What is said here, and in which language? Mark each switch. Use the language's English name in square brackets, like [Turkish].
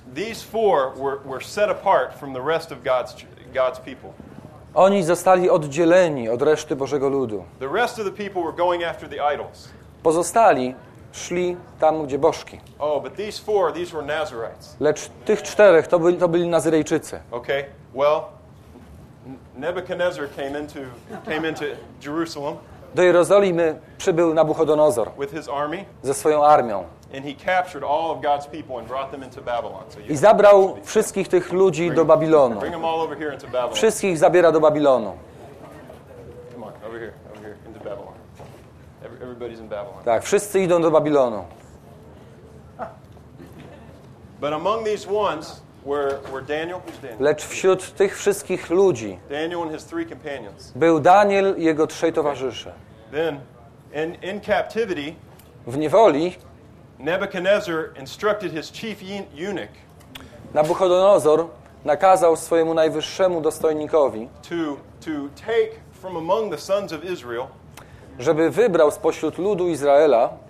[English] These four were set apart from the rest of God's people. [Polish] Oni zostali oddzieleni od reszty Bożego ludu. [English] The rest of the people were going after the idols. [Polish] Pozostali szli tam, gdzie bożki. [English] Oh, but these were Nazarites. [Polish] Lecz tych czterech to byli Nazyrejczycy. [English] Okay. Well, Nebuchadnezzar came into Jerusalem. [Polish] Do Jerozolimy przybył Nabuchodonozor [English] with his army, [Polish] ze swoją armią. [English] And he captured all of God's people and brought them into Babylon. So [Polish] i zabrał wszystkich tych ludzi do Babilonu. [English] Bring them all over here into Babylon. [Polish] Wszystkich zabiera do Babilonu. [English] Come on, over here into Babylon. Everybody's in Babylon. [Polish] Tak, wszyscy idą do Babilonu. [English] But among these ones were Daniel. Who's Daniel? [Polish] Lecz wśród tych wszystkich ludzi [English] Daniel and his three companions. [Polish] Był Daniel i jego trzej towarzysze. [English] Then, in captivity, [Polish] w niewoli [English] Nebuchadnezzar instructed his chief eunuch. [Polish] Nabuchodonozor nakazał swojemu najwyższemu dostojnikowi [English] to take from among the sons of Israel, [Polish] żeby wybrał spośród ludu Izraela